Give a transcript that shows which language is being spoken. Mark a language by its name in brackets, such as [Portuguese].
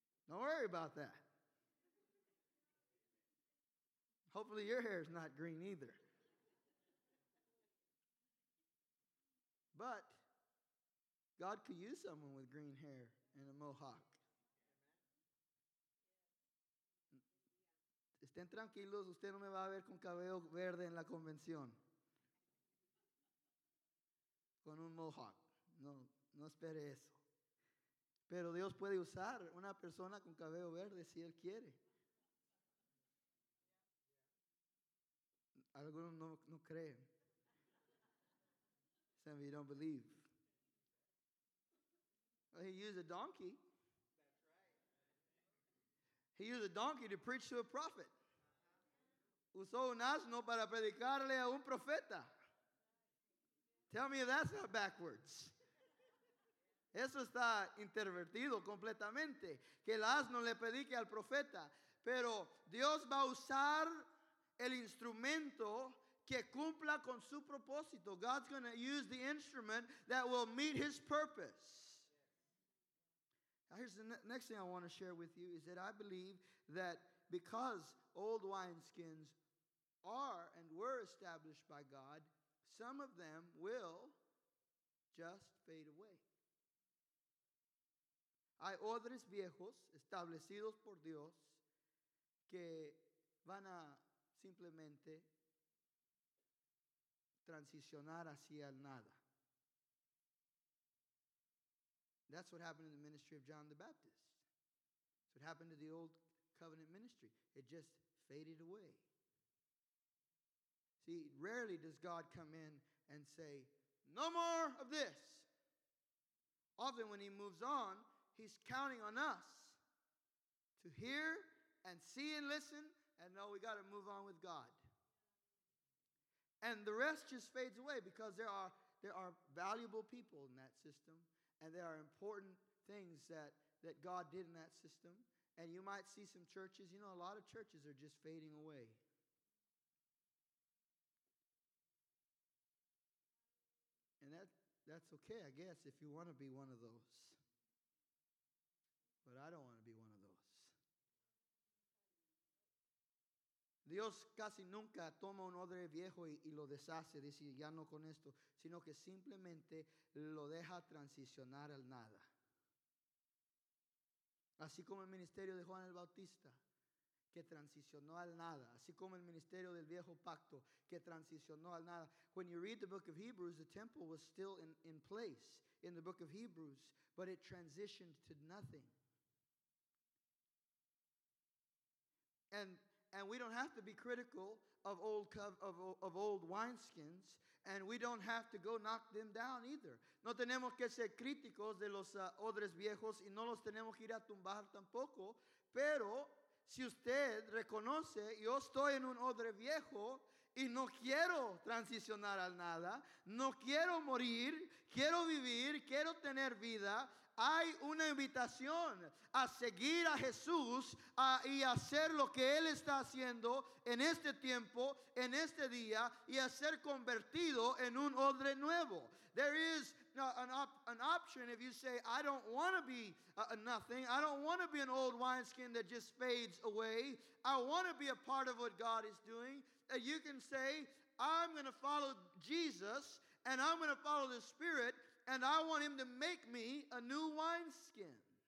[English] Don't worry about that. Hopefully your hair's not green either. But God could use someone with green hair and a mohawk. [Spanish] Estén tranquilos, usted no me va a ver con cabello verde en la convención. Con un mohawk. No espere eso. Pero Dios puede usar una persona con cabello verde si Él quiere. Algunos no creen. [English] Some of you don't believe. Well, he used a donkey. He used a donkey to preach to a prophet. [Spanish] Usó un asno para predicarle a un profeta. [English] Tell me if that's not backwards. [Spanish] Eso está intervertido completamente. Que el asno le predique al profeta. Pero Dios va a usar el instrumento que cumpla con su propósito. [English] God's going to use the instrument that will meet his purpose. Now here's the next thing I want to share with you is that I believe that because old wineskins are and were established by God, some of them will just fade away. [Spanish] Hay odres viejos establecidos por Dios que van a simplemente transicionar hacia el nada. [English] That's what happened in the ministry of John the Baptist. That's what happened to the old covenant ministry. It just faded away. See, rarely does God come in and say, no more of this. Often when he moves on, he's counting on us to hear and see and listen and know we got to move on with God. And the rest just fades away because there are valuable people in that system and there are important things that God did in that system. And you might see some churches, you know, a lot of churches are just fading away. And that's okay, I guess, if you want to be one of those. But I don't want to be one of those. [Spanish] Dios casi nunca toma un odre viejo y lo deshace, dice ya no con esto, sino que simplemente lo deja transicionar al nada. Así como el ministerio de Juan el Bautista, que transicionó al nada, así como el ministerio del viejo pacto que transicionó al nada. [English] When you read the book of Hebrews, the temple was still in place in the book of Hebrews, but it transitioned to nothing. And we don't have to be critical of old wineskins, and we don't have to go knock them down either. [Spanish] No tenemos que ser críticos de los odres viejos y no los tenemos que ir a tumbar tampoco, pero si usted reconoce, yo estoy en un odre viejo y no quiero transicionar al nada, no quiero morir, quiero vivir, quiero tener vida, hay una invitación a seguir a Jesús y hacer lo que Él está haciendo en este tiempo, en este día, y a ser convertido en un odre nuevo. [English] There is an option if you say, I don't want to be nothing. I don't want to be an old wineskin that just fades away. I want to be a part of what God is doing. You can say, I'm going to follow Jesus, and I'm going to follow the Spirit, and I want Him to make me a new wineskin.